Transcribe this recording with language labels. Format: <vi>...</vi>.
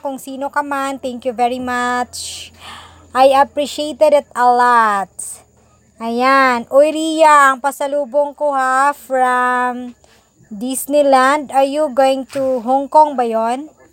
<tl>Kung sino ka man,</tl> <en>thank you very much. I appreciated it a lot.</en> <tl>Ayan. Oy, Ria, ang pasalubong ko, ha?</tl> <en>From Disneyland, are you going to Hong Kong</en> <tl>ba yon?</tl>